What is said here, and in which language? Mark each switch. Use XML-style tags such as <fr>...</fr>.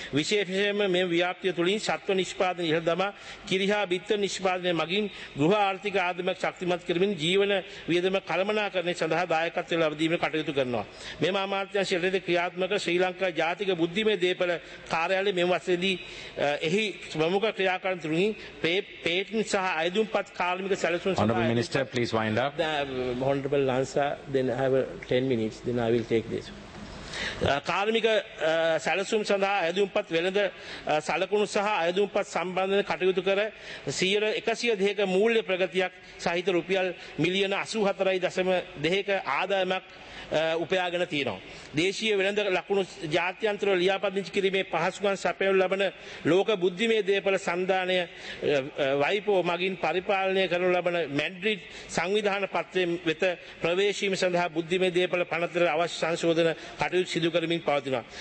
<si>විශේෂයෙන්ම මෙම ව්‍යාප්තිය තුළින් සත්ව නිෂ්පාදන ඉහළ දමා කිරිහා බිත්තර නිෂ්පාදනය මගින් ගෘහ ආර්ථික ආධමක ශක්තිමත් කිරීමෙන් ජීවන වියදම කළමනාකරණය සඳහා දායකත්වය ලබා දීමට කටයුතු කරනවා. මෙම අමාත්‍යාංශයේ ක්‍රියාත්මක ශ්‍රී ලංකා ජාතික බුද්ධිමය දේපළ කාර්යාලයේ මෙම වසරේදී එහි ප්‍රමුඛ ක්‍රියාකාරී තුරුන් පේටන් සහ අයදුම්පත් කාර්මික සැලසුම් සභාව.</si> <en>Honorable Minister, please wind up. Honorable Lansa, then I have 10 minutes, then I will take this.</en> <si>කාර්මික සැලසුම් සඳහා අයදුම්පත් වෙළඳ සලකුණු සහ අයදුම්පත් සම්බන්ධ කටයුතු කර 100% මූල්‍ය ප්‍රගතියක් සහිත රුපියල් මිලියන 84.2 ආදායමක් උපයාගෙන තියෙනවා. දේශීය වෙළඳ ලකුණු ජාත්‍යන්තර ලියාපදිංචි කිරීමේ පහසුකම් සපයනු ලබන ලෝක බුද්ධිමය දේපළ සංධානය වයිපෝ මගින් පරිපාලනය කරනු ලබන මැඩ්‍රිඩ් සංවිධාන පත්‍රය වෙත ප්‍රවේශීම සඳහා බුද්ධිමය දේපළ පනතට අවශ්‍ය සංශෝධන කටයුතු සිදු කරමින් පවතිනවා.</si>